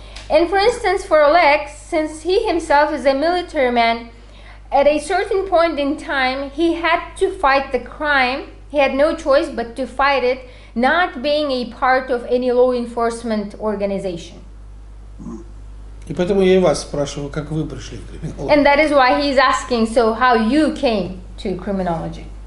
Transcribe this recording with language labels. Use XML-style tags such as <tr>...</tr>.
<en>And for instance, for Oleg, since he himself is a military man, at a certain point in time, he had to fight the crime. He had no choice but to fight it, not being a part of any law enforcement organization.</en> <ru>И поэтому я и вас спрашиваю, как вы пришли в криминологию.</ru> <en>And that is why he is asking, so how you came to criminology?</en>